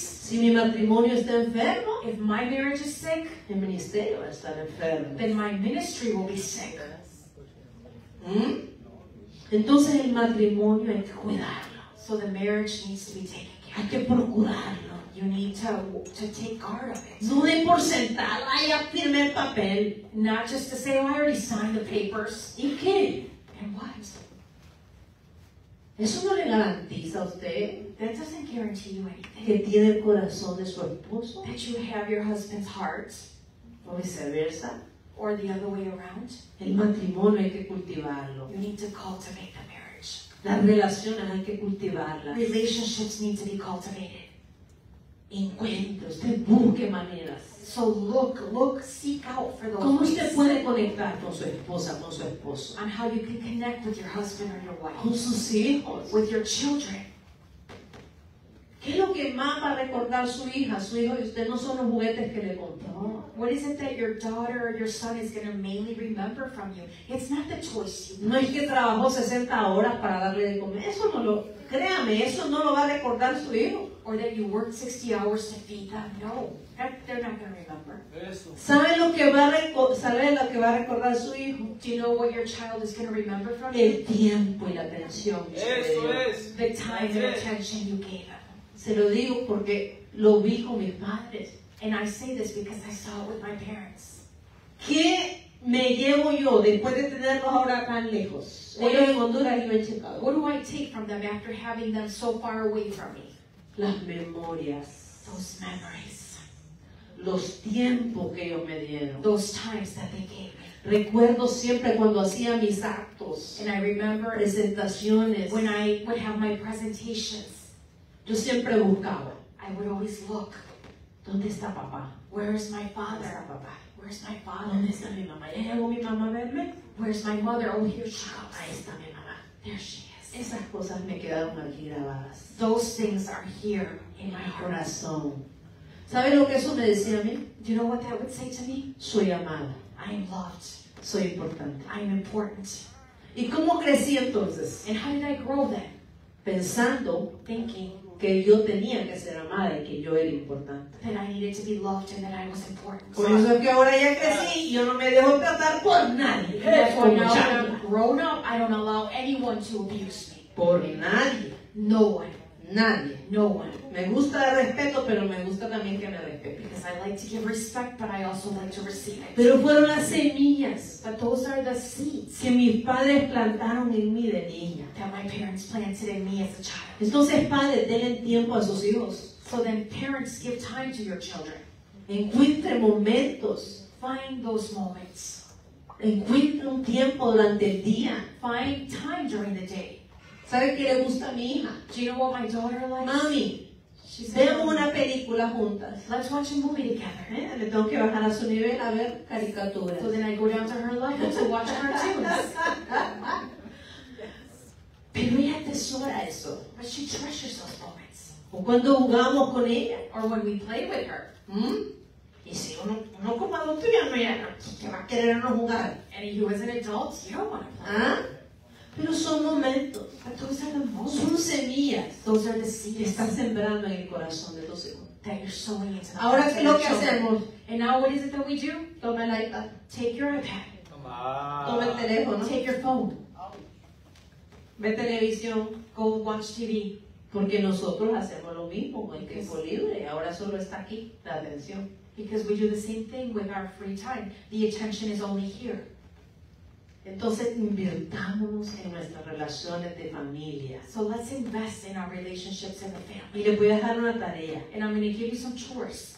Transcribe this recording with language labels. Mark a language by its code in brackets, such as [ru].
[es] si mi matrimonio está enfermo, [en] if my marriage is sick, [es] el ministerio va a estar enfermo. [en] Then my ministry will be sick. [es] Entonces el matrimonio hay que cuidarlo. [en] So the marriage needs to be taken care of. [es] Hay que procurarlo. [en] You need to take care of it. [es] No de por sentado, ya firmé el papel. [en] Not just to say, oh, I already signed the papers. [es] ¿Y qué? [en] And what? [es] Eso no le garantiza a usted. [en] That doesn't guarantee you anything. [es] Que tiene el corazón de su esposo. [en] That you have your husband's heart. [es] O viceversa. [en] Or the other way around. [es] El matrimonio hay que cultivarlo. [en] You need to cultivate the marriage. [es] Las relaciones hay que cultivarlas. [en] Relationships need to be cultivated. [es] Encuentros, te busque maneras. [en] So look, seek out for those. [es] ¿Cómo usted puede conectar con su esposa, con su esposo? [en] On how you can connect with your husband or your wife. [es] Con sus hijos. [en] With your children. [es] ¿Qué ¿Qué es lo que más va a recordar su hija, su hijo y usted? No son los juguetes que le compró. [en] What is it that your daughter or your son is going to mainly remember from you? It's not the toys. [es] No es que trabajó 60 horas para darle de comer. Eso no lo, créame, eso no lo va a recordar su hijo. [en] Or that you worked 60 hours to feed them. No, that, they're not going to remember. [es] ¿Sabe lo que va a recordar su hijo? [en] Do you know what your child is going to remember from [es] you? El tiempo y la atención. Eso es. [en] The time and attention you gave them. [es] Se lo digo porque lo vi con mis padres. [en] And I say this because I saw it with my parents. [es] ¿Qué me llevo yo después de tenerlos ahora tan lejos? Ellos en Honduras y yo en Chicago. [en] What do I take from them after having them so far away from me? [es] Las memorias. [en] Those memories. [es] Los tiempos que ellos me dieron. [en] Those times that they gave me. [es] Recuerdo siempre cuando hacía mis actos. [en] And I remember [es] presentaciones. [en] When I would have my presentations. [es] Yo siempre buscaba. [en] I would always look. [es] ¿Dónde está papá? [en] Where is my father? [es] ¿Dónde está papá? [en] Where's my father? [es] ¿Dónde está mi mamá? ¿Ya llegó mi mamá a verme? [en] Where's my mother? Oh, here she comes. [es] Ahí está mi mamá. [en] There she is. [es] Esas cosas me quedaron aquí grabadas. [en] Those things are here in my [es] corazón. ¿Sabes lo que eso me decía a mí? [en] Do you know what that would say to me? [es] Soy amada. [en] I am loved. [es] Soy importante. [en] I am important. [es] ¿Y cómo crecí entonces? [en] And how did I grow then? [es] Pensando. [en] Thinking. [es] Que yo tenía que ser amada y que yo era importante. [en] That I needed to be loved and that I was important. [es] Por eso es que ahora ya crecí, yo no me dejo tratar por nadie. [en] Therefore, now that I'm grown up, I don't allow anyone to abuse me. [es] Por nadie. [en] No one. [es] Nadie. [en] No one. [es] Me gusta el respeto, pero me gusta también que me respeten. [en] Because I like to give respect, but I also like to receive it. [es] Pero fueron las semillas. [en] But those are the seeds. [es] Que mis padres plantaron en mí de niña. [en] That my parents planted in me as a child. [es] Entonces, padres, denle tiempo a sus hijos. [en] So then parents give time to your children. [es] Encuentre momentos. [en] Find those moments. [es] Encuentre un tiempo durante el día. [en] Find time during the day. [es] ¿Sabe qué le gusta a mi hija? [en] Do you know what my daughter likes? [es] Mami, veamos una película juntas. [en] Let's watch a movie together. [es] Le tengo que bajar a su nivel a ver caricaturas. [en] So then I go down to her level to watch cartoons. [es] Pero ella atesora eso. [en] But she treasures those moments. [es] O cuando jugamos con ella. [en] Or when we play with her. [es] Y si uno como adulto ya no ya no, ¿qué va a querer uno jugar? [en] And if you as an adult, you don't want to play. [es] Pero son momentos. [en] But those are the moments. [es] Son semillas. [en] Those are the seeds. [es] Que está sembrando en el corazón de tus hijos. [en] That you're sowing into the [es] heart. Ahora, ¿qué es lo que hacemos? [en] And now what is it that we do? [es] Toma el iPad. [en] Take your iPad. [es] Toma el teléfono. [en] Take your phone. [es] Ve televisión. [en] Go watch TV. [es] Porque nosotros hacemos lo mismo con el tiempo libre. Ahora solo está aquí la atención. [en] Because we do the same thing with our free time. The attention is only here. [es] Entonces, invirtámonos en nuestras relaciones de familia. [en] So let's invest in our relationships in the family. [es] Y le voy a dejar una tarea. [en] And I'm going to give you some chores.